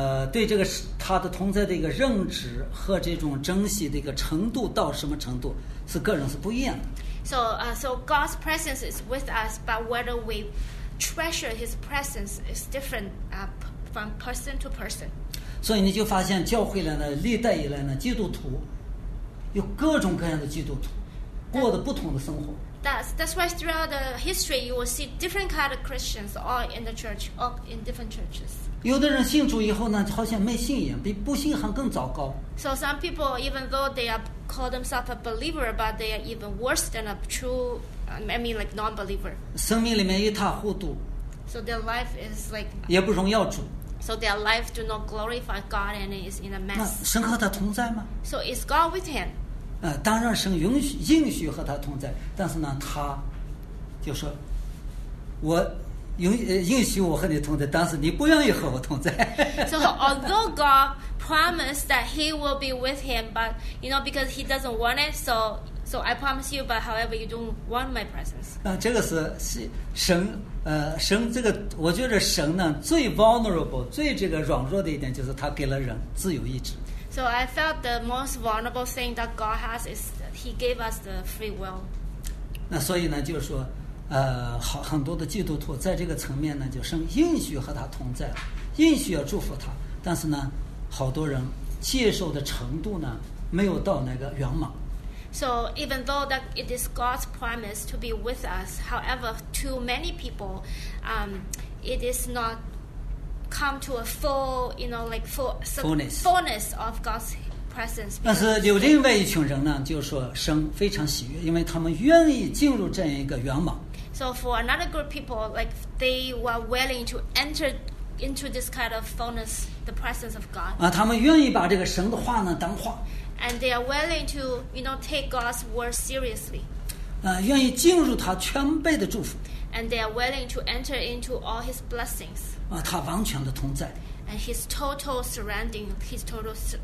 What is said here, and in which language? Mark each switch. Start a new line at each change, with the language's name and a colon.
Chinese: 对这个他的同在的一个认知和这种珍惜的一个程度到什么程度，是个人是不一样的。
English: So God's presence is with us, but whether we treasure His presence is different from person to person.
Chinese: 所以你就发现教会来呢，历代以来呢，基督徒有各种各样的基督徒，过的不同的生活。
English: That's why throughout the history you will see different kind of Christians all in the church, all in different churches.
Chinese: 有的人信主以后呢，好像没信仰，比不信还更糟糕。
English: So some people, even though they are called themselves a believer, but they are even worse than a true, I mean like non-believer.
Chinese: 生命里面一塌糊涂。
English: So their life is like.
Chinese: 也不荣耀主。
English: So their life do not glorify God and is in a mess.
Chinese: 那神和他同在吗
English: ？So is God with him?
Chinese: 当然神应许和他同在，但是呢，他就说，我应许我和你同在，但是你不愿意和我同在。
English: So although God promised that He will be with him, but you know because He doesn't want it, so I promise you, but however you don't want my presence.
Chinese: 这个是神神这个，我觉得神呢最 vulnerable 最这个软弱的一点就是他给了人自由意志。
English: So I felt the most vulnerable thing that God has is that He gave us the free will.
Chinese: 那所以呢，就是说，很多的基督徒在这个层面呢，就神应许和他同在，应许要祝福他，但是呢，好多人接受的程度呢，没有到那个圆满。
English: So even though that it is God's promise to be with us, however, to many people, it is not. Come to a full, you know, like fullness of God's presence.
Chinese: 但是有另外一群人呢，就是说神非常喜悦，因为他们愿意进入这样一个圆满。
English: So for another group of people, like they were willing to enter into this kind of fullness, the presence of God.
Chinese: 他们愿意把这个神的话呢当话。
English: And they are willing to, you know, take God's word seriously.
Chinese: 愿意进入他全备的祝福。
English: And they are willing to enter into all His blessings.
Chinese: 他完全的同在。
English: And his total surrounding, his total.